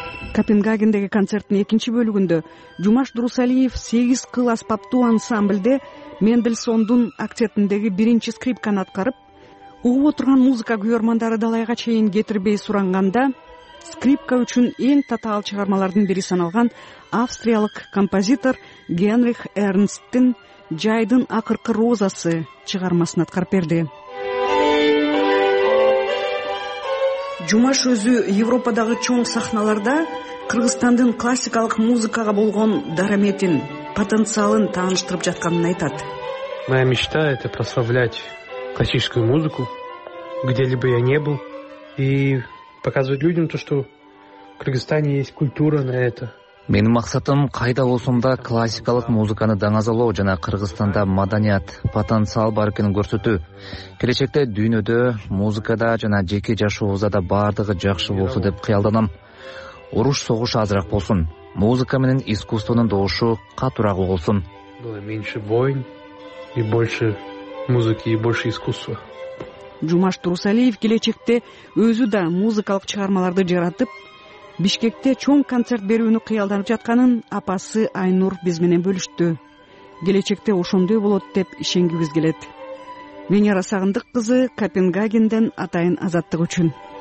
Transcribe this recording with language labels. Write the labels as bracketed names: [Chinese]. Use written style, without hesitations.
[Kyrgyz] Копенгагендеги концерттин экинчи бөлүгүндө Жумаш Дурусалиев 8 кыл аспаптуу ансамбльде Мендельсондун октетиндеги биринчи скрипканы аткарып, угуп отурган музыка күйөрмандары далайга чейин кетирбей суранганда, скрипка үчүн эң татаал чыгармалардын бири саналган австриялык композитор Генрих Эрнсттин Жайдын акыркы розасы чыгармасын аткарып берди. Жумаш өзү Европадагы чоң сахналарда Кыргызстандын классикалык музыкага болгон дараметин, потенциалын тааныштырып жатканын айтат. [Russian] Моя мечта это прославлять классическую музыку, где либо я не был, и показывать людям то, что в Кыргызстане есть культура на это. [Kyrgyz] Менин максатым кайда болсом да классикалык музыканы даңазалоо жана Кыргызстанда маданият, потенциал бар экенин көрсөтүү. Келечекте дүйнөдө, музыкада жана жеке жашообузда да баардыгы жакшы болсо деп кыялданам. Уруш согуш азыраак болсун. Музыка менен искусствонун добушу катуураак болсун. [Russian] Было меньше войн и больше музыки и больше искусства. [Kyrgyz] Жумаш Турусалиев келечекте өзү да музыкалык чыгармаларды жаратып, Бишкекте чоң концерт берүүнү кыялданып жатканын апасы Айнур биз менен бөлүштү. Келечекте ошондой болот деп ишенгибиз келет. Венера Сагындык кызы Копенгагенден атайын азаттык үчүн.